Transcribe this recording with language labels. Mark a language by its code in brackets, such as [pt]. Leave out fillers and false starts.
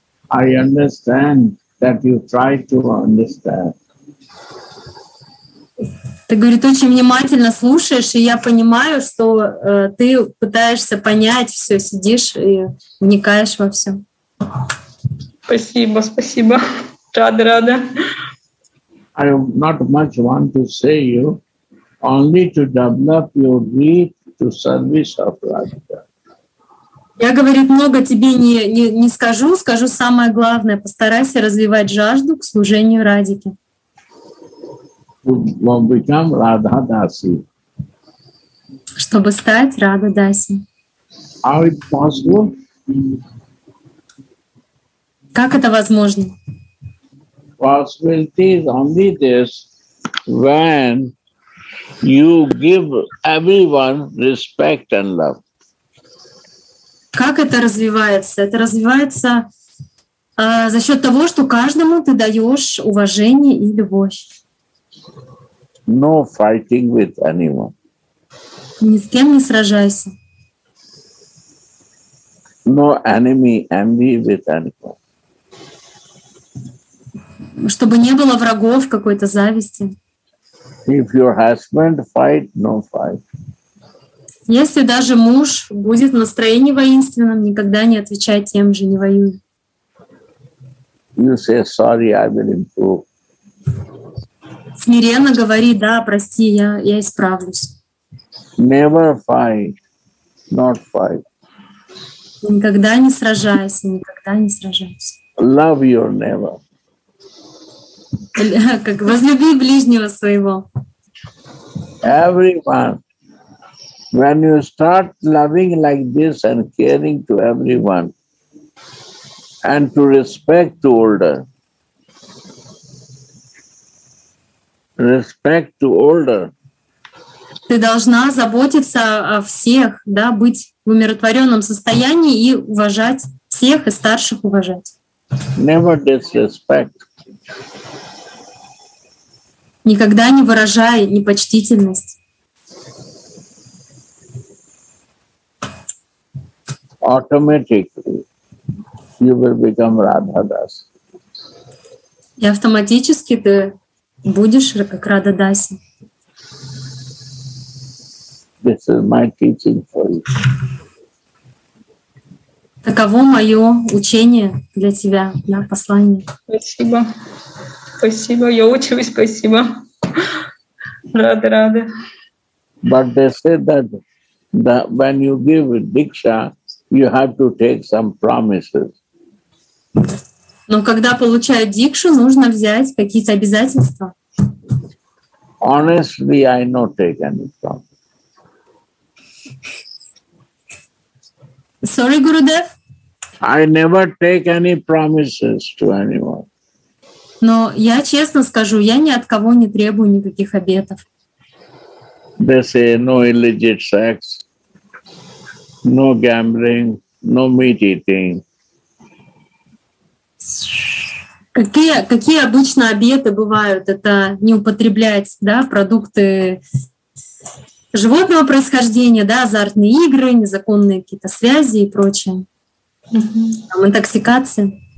[en] I understand that you try to understand. [ru] Ты, говорит, очень внимательно слушаешь, и я понимаю, что ты пытаешься понять все, сидишь и вникаешь во все. Спасибо, спасибо. Рада, рада. [en] I not much want to say you, only to develop your need to service of Radha. [ru] Я, говорит, много тебе не скажу, скажу самое главное. Постарайся развивать жажду к служению Радике. Чтобы стать Рада Даси. [en] How it possible? [ru] Как это возможно? [en] Possibility is only this, when you give everyone respect and love. [ru] Как это развивается? Это развивается за счет того, что каждому ты даешь уважение и любовь. [en] No fighting with anyone. [ru] Ни с кем не сражайся. [en] No enemy, envy with anyone. [ru] Чтобы не было врагов, какой-то зависти. [en] If your husband fight, no fight. [ru] Если даже муж будет в настроении воинственном, никогда не отвечай тем же, не воюй. [en] You say, sorry, I will improve. [ru] Смиренно говори, да, прости, я исправлюсь. [en] Never fight, not fight. [ru] Никогда не сражайся, никогда не сражайся. [en] Love your neighbor. [ru] Как возлюби ближнего своего. [en] Everyone. When you start loving like this and caring to everyone and to respect to older, respect to older. [ru] Ты должна заботиться о всех, да, быть в умиротворенном состоянии и уважать всех и старших уважать. [en] Never disrespect. [ru] Никогда не выражай непочтительность. [en] Automatically you will become Radha Dasi. [ru] И автоматически ты будешь как Радха Даси. [en] This is my teaching for you. [ru] Таково мое учение для тебя, для послания. Спасибо. Спасибо. Я учусь. Спасибо. Рада, рада. [en] But they say that when you give diksha, you have to take some promises. [ru] Но когда получают дикшу, нужно взять какие-то обязательства. [en] Honestly, I not take any promise. Sorry, Gurudev. I never take any promises to anyone. [ru] Но я честно скажу, я ни от кого не требую никаких обетов. [en] They say no illicit sex, no gambling, no meat eating. [ru] Какие обычно обеты бывают? Это не употреблять, да, продукты животного происхождения, да, азартные игры, незаконные какие-то связи и прочее. Там, интоксикация.